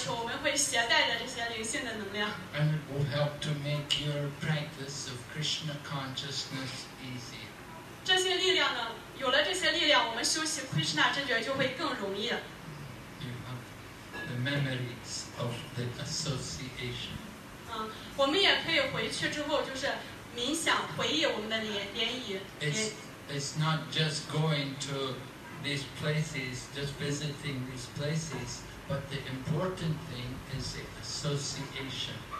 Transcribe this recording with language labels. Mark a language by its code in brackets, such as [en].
[zh] 当我们回到中国的时候，我们会携带着这些灵性的能量。 [en] And it will help to make your practice of Krishna consciousness easy. [zh] 这些力量呢，有了这些力量，我们修习 Krishna 正觉就会更容易。 [en] You have the memories of the association. [zh] 我们也可以回去之后就是。 [en] It's not just going to these places, just visiting these places, but the important thing is the association.